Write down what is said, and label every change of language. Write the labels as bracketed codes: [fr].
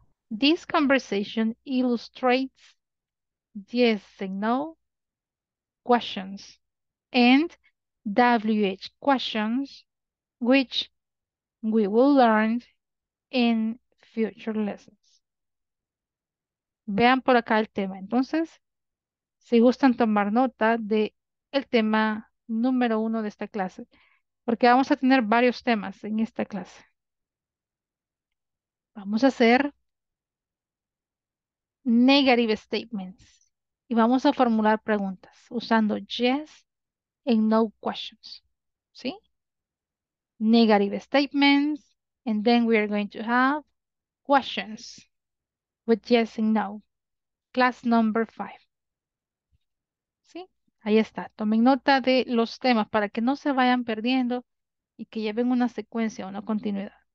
[en] This conversation illustrates yes and no questions and WH questions, which we will learn in future lessons. [es] Vean por acá el tema. Entonces, si gustan tomar nota de el tema número 1 de esta clase, porque vamos a tener varios temas en esta clase. Vamos a hacer negative statements y vamos a formular preguntas usando yes and no questions. ¿Sí? [en] Negative statements and then we are going to have questions with yes and no. Class number 5. [es] ¿Sí? Ahí está. Tomen nota de los temas para que no se vayan perdiendo y que lleven una secuencia, una continuidad.